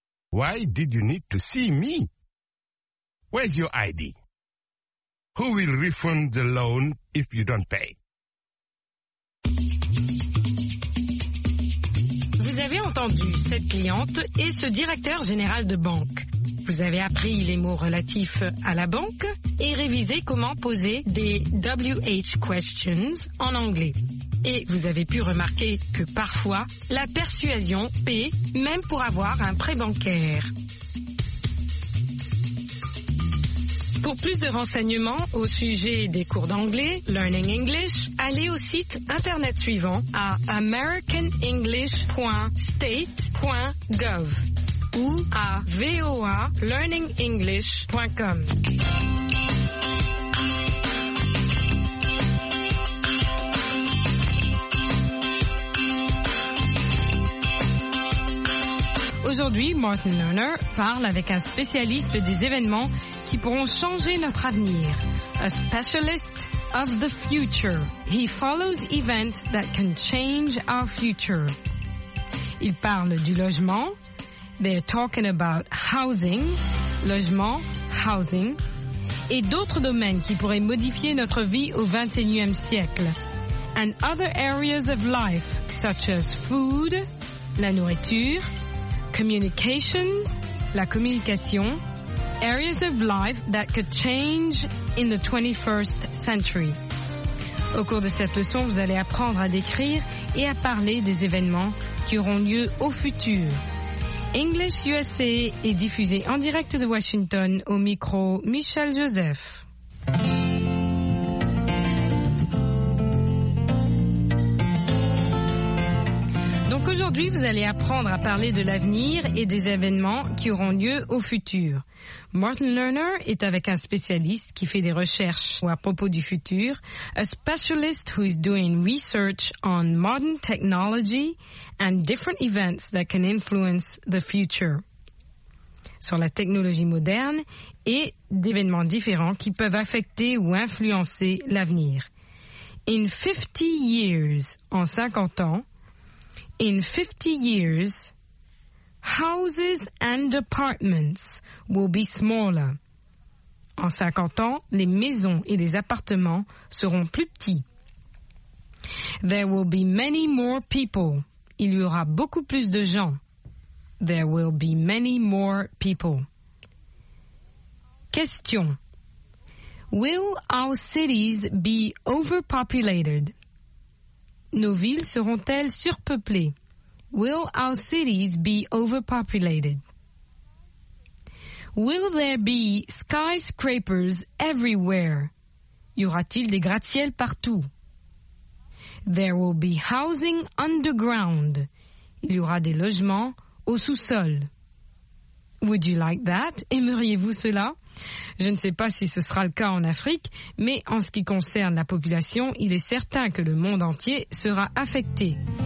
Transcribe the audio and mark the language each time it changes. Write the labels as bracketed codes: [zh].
[en] Why did you need to see me? Where's your ID? Who will refund the loan if you don't pay? [fr] Vous avez entendu cette cliente et ce directeur général de banque. Vous avez appris les mots relatifs à la banque et révisé comment poser des WH questions en anglais. Et vous avez pu remarquer que parfois, la persuasion paie même pour avoir un prêt bancaire. Pour plus de renseignements au sujet des cours d'anglais, Learning English, allez au site internet suivant à americanenglish.state.gov ou à voalearningenglish.com. Aujourd'hui, Martin Lerner parle avec un spécialiste des événements qui pourront changer notre avenir. [en] A specialist of the future. He follows events that can change our future. [fr] Il parle du logement. [en] They're talking about housing. [fr] Logement, housing. Et d'autres domaines qui pourraient modifier notre vie au 21e siècle. [en] And other areas of life, such as food, [fr] la nourriture, [en] communications, [fr] la communication, [en] areas of life that could change in the 21st century. [fr] Au cours de cette leçon, vous allez apprendre à décrire et à parler des événements qui auront lieu au futur. English USA est diffusé en direct de Washington au micro Michel Joseph. Aujourd'hui, vous allez apprendre à parler de l'avenir et des événements qui auront lieu au futur. Martin Lerner est avec un spécialiste qui fait des recherches à propos du futur, [en] a specialist who is doing research on modern technology and different events that can influence the future. [fr] Sur la technologie moderne et d'événements différents qui peuvent affecter ou influencer l'avenir. [en] In 50 years, [fr] en 50 ans, [en] In 50 years, houses and apartments will be smaller. [fr] En 50 ans, les maisons et les appartements seront plus petits. [en] There will be many more people. [fr] Il y aura beaucoup plus de gens. [en] There will be many more people. Question. Will our cities be overpopulated? [fr] Nos villes seront-elles surpeuplées? [en] Will our cities be overpopulated? Will there be skyscrapers everywhere? [fr] Y aura-t-il des gratte-ciel partout? [en] There will be housing underground. [fr] Il y aura des logements au sous-sol. [en] Would you like that? [fr] Aimeriez-vous cela? Je ne sais pas si ce sera le cas en Afrique, mais en ce qui concerne la population, il est certain que le monde entier sera affecté.